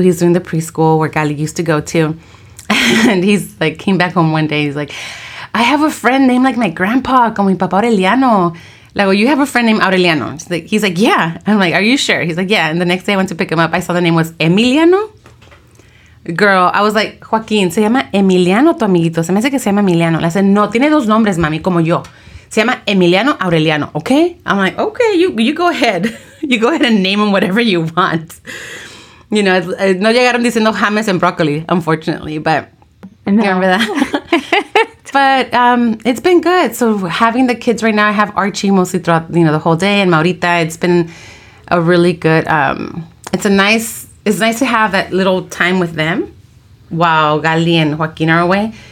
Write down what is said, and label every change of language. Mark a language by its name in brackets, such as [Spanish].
[English] He's doing the preschool where Gali used to go to. And he's like, came back home one day. He's like, I have a friend named like my grandpa, [Spanish] como mi papá Aureliano. [English] Like, well, you have a friend named Aureliano. He's like, yeah. I'm like, are you sure? He's like, yeah. And the next day I went to pick him up, I saw the name was Emiliano. Girl, I was like, [Spanish] Joaquin, se llama Emiliano tu amiguito. Se me hace que se llama Emiliano. Le said, no, tiene dos nombres, mami, como yo. Se llama Emiliano Aureliano, [English] okay? I'm like, okay, you go ahead. You go ahead and name him whatever you want. You know, [Spanish] no llegaron diciendo [English] James and broccoli, unfortunately, but no. You remember that? But it's been good. So having the kids right now, I have Archie mostly throughout, you know, the whole day, and Maurita, it's been a really good, it's nice to have that little time with them while Gali and Joaquin are away.